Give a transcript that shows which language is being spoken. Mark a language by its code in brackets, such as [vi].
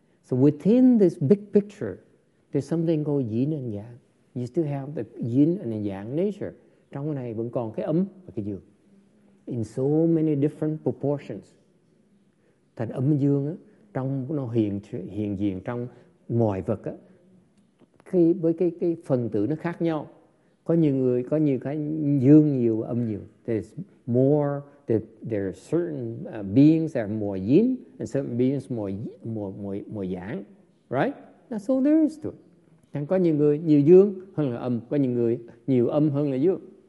[en] So within this big picture, there's something called yin and yang. You still have the yin and the yang nature. [vi] Trong này vẫn còn cái ấm và cái dương. [en] In so many different proportions. [vi] Thành ấm dương á, trong nó hiện diện trong mọi vật á, khi với cái phần tử nó khác nhau. Có nhiều người, có nhiều cái dương nhiều, âm nhiều. [en] There's more, there are certain beings that are more yin, and certain beings more yang. Right? That's all there is to it. [vi] Chẳng có nhiều người nhiều dương hơn là âm, có nhiều người nhiều âm hơn là dương.